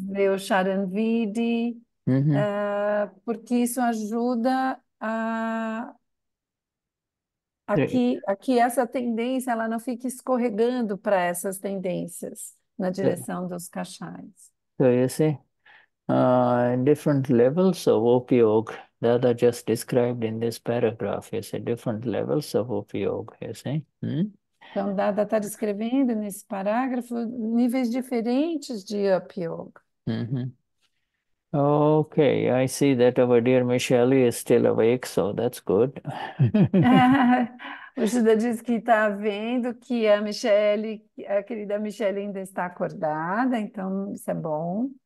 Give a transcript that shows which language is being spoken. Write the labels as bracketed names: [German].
[Portuguese] fazer o Charanvidhi, porque isso ajuda a que essa tendência ela não fique escorregando para essas tendências na direção dos cachais. [English] So you see, different levels of opiog that are just described in this paragraph. You see, different levels of opiog, you see. [Portuguese] Então, Dada está descrevendo nesse parágrafo níveis diferentes de Up Yoga. [English] Okay, I see that our dear Michelle is still awake, so that's good. [Portuguese] O Shuda diz que está vendo que a querida Michelle ainda está acordada, então isso é bom.